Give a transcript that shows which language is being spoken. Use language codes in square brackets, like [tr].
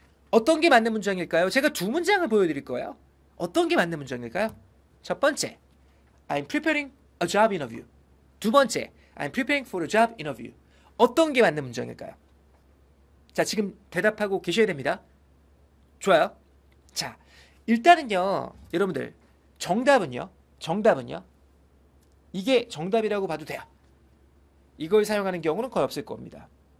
[ko] 어떤 게 맞는 문장일까요? 제가 두 문장을 보여드릴 거예요. 어떤 게 맞는 문장일까요? 첫 번째, [en] I'm preparing a job interview. [ko] 두 번째, [en] I'm preparing for a job interview. [ko] 어떤 게 맞는 문장일까요? 자, 지금 대답하고 계셔야 됩니다. 좋아요. 자, 일단은요, 여러분들, 정답은요? 정답은요? 이게 정답이라고 봐도 돼요. 이걸 사용하는 경우는 거의 없을 겁니다.